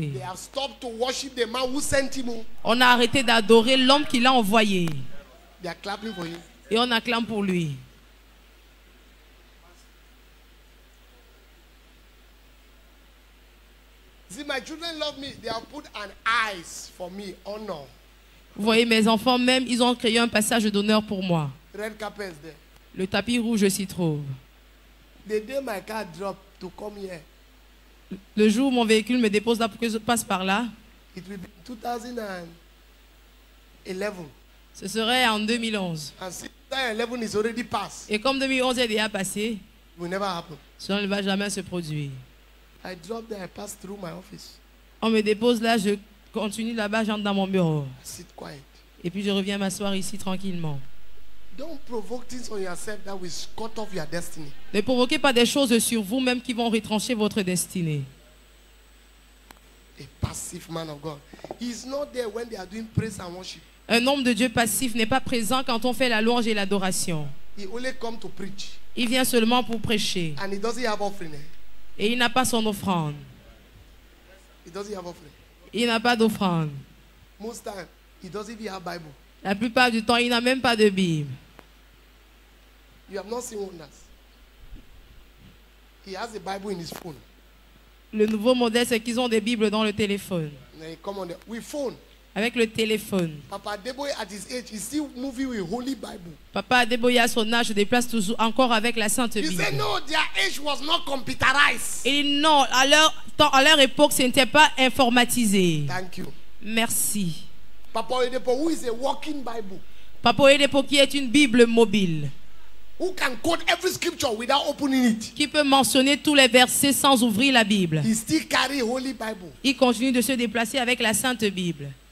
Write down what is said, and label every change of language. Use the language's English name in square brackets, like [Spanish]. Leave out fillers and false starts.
[English] They have stopped to worship the man who sent him. [French] On a arrêté d'adorer l'homme qui l'a envoyé. [English] They are clapping for him. [French] Et on acclame pour lui. [English] See, my children love me. They have put an eyes for me. Oh no. [French] Vous voyez, mes enfants même, ils ont créé un passage d'honneur pour moi. [English] Red carpet is there. [French] Le tapis rouge s'y trouve. [English] The day my car dropped to come here. [French] Le jour où mon véhicule me dépose là pour que je passe par là, [English] it will be 2011. [French] Ce serait en 2011. [English] Is already passed. [French] Et comme 2011 est déjà passé, [English] will never happen. [French] Cela ne va jamais se produire. [English] I dropped there, I passed through my office. [French] On me dépose là, je continue là-bas, j'entre dans mon bureau. [English] I sit quiet. [French] Et puis je reviens m'asseoir ici tranquillement. [English] Don't provoke things on yourself that will cut off your destiny. [French] Ne provoquez pas des choses sur vous-même qui vont retrancher votre destinée. [English] A passive man of God. He's not there when they are doing praise and worship. [French] Un homme de Dieu passif n'est pas présent quand on fait la louange et l'adoration. [English] He only come to preach. [French] Il vient seulement pour prêcher. [English] And he doesn't have offering. [French] Et il n'a pas son offrande. [English] He doesn't have offering. [French] Il n'a pas d'offrande. [English] Most time, he doesn't even have Bible. [French] La plupart du temps, il n'a même pas de Bible. [English] You have not seen wonders. He has a Bible in his phone. [French] Le nouveau modèle, c'est qu'ils ont des Bibles dans le téléphone. [English] They come on the, with phone. [French] Avec le téléphone. [English] Papa Adeboye, at his age, he's still moving with Holy Bible. [French] Papa Adeboye, à son âge, se déplace toujours encore avec la Sainte Bible. [English] He said, no, their age was not computerized. [French] Et non, à leur époque, ce n'était pas informatisé. [English] Thank you. [French] Merci. [English] Papa Oedipo, who is a walking Bible? [French] Papa Oedipo, qui est une Bible mobile. [English] Who can quote every scripture without opening it? [French] Qui peut mentionner tous les versets sans ouvrir la Bible? [English] He still carry Holy Bible. [French] Il continue de se déplacer avec la Sainte Bible.